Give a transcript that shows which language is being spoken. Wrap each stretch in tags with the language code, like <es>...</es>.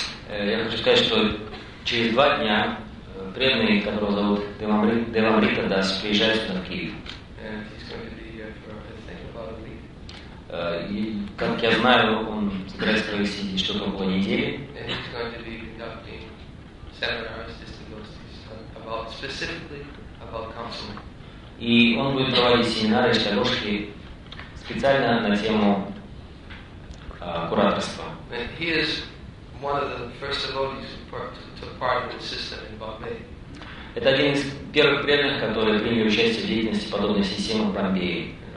<ru>Я хочу сказать, что через два дня преданный, которого зовут Deva Amritadas, приезжает сюда в Киев.</ru> <en>And he's going to be here for, I think, about a week.</en> <ru>И, как я знаю, он собирается провести здесь что-то около недели.</ru> <en>And he's going to be conducting seminars, distagostis, about specifically about counseling.</en> <ru>И он будет проводить семинары, иштагошки специально на тему кураторства.</ru> <en>And he is one of the first devotees who took part in the system in Bombay.</en> <ru>Это один из первых преданных, которые приняли участие в деятельности подобной системы в Бомбее.</ru>